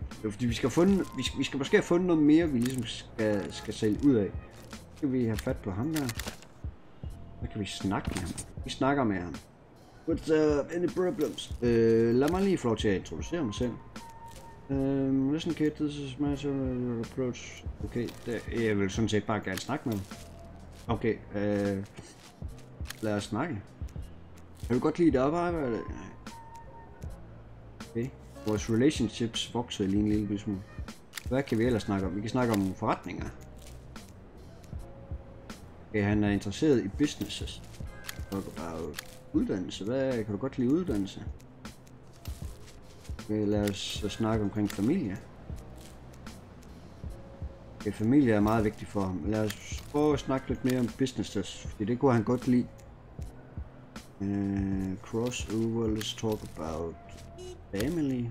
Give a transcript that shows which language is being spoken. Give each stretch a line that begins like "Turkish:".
Danish: Fordi vi skal finde, vi skal måske have fundet noget mere, vi ligesom skal sælge ud af. Så kan vi have fat på ham der. Så kan vi snakke med ham. Vi snakker med ham.
English: What's up, any problems?
Danish: Lad mig lige få lov til at introducere mig selv.
English: Listen kid, this is my approach.
Danish: Okay, jeg vil sådan set bare gerne snakke med ham. Okay, lad os snakke. Jeg vil godt lide det arbejde, eller? Okay. Vores relationships vokser lige en lille smule. Hvad kan vi ellers snakke om? Vi kan snakke om forretninger. Okay, han er interesseret i businesses.
English: Talk about
Danish: Uddannelse, hvad kan du godt lide uddannelse? Okay, lad os snakke omkring familie. Okay, familie er meget vigtigt for ham. Lad os prøve at snakke lidt mere om businesses, fordi det kunne han godt lide.
English: Crossover, let's talk about family.